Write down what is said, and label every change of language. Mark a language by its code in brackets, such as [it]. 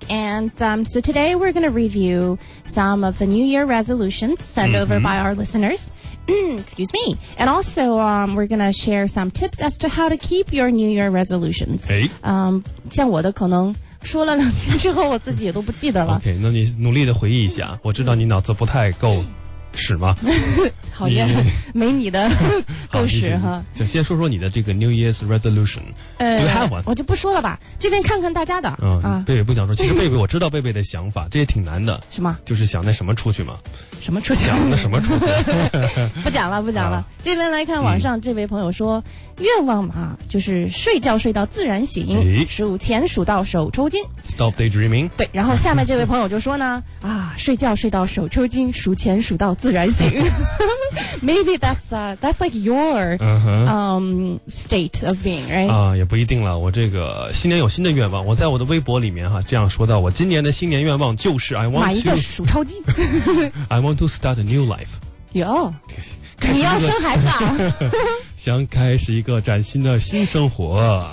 [en] And、so today we're going to review some of the New Year resolutions sent over by our listeners. Excuse me. And also、we're going to share some tips as to how to keep your New Year resolutions. 哎、 [zh] 像我的可能说了两天之后我自己也都不记得了。 OK， 那你努力的回忆一下，我知道你脑子不太够使吗？好呀，没你的够使哈。就先说说你的这个 New Year's Resolution。我就不说了吧，这边看看大家的。贝贝不想说，其实贝贝我知道贝贝的想法，这也挺难的。什么？就是想那什么出去吗？什么出去？想那什么出去？不讲了，不讲了。这边来看网上这位朋友说，愿望嘛，就是睡觉睡到自然醒，数钱数到手抽筋。 [en] Stop daydreaming。 [zh] 对，然后下面这位朋友就说呢，啊，睡觉睡到手抽筋，数钱数到自然醒。 [en] Maybe that's like your state of being, right? [zh] 啊，也不一定了。我这个新年有新的愿望，我在我的微博里面哈这样说到，我今年的新年愿望就是 [en] I want to [zh] 买一个数钞机。 [en] I want to start a new life. [zh] 有。你要生孩子啊？想开始一个崭新的新生活。